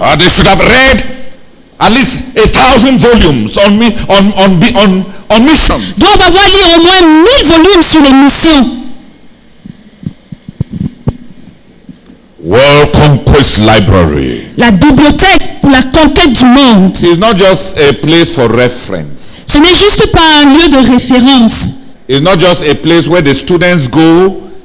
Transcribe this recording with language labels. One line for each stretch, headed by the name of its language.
English: they should have read at least 1,000 volumes on missions.
French: Doivent avoir lu au moins 1,000 volumes sur les missions.
English: World Conquest Library.
French: La bibliothèque pour la conquête du monde.
English: It's not just a place for reference.
French: Ce n'est juste pas un lieu de référence.
English: It's not just a place where the students go.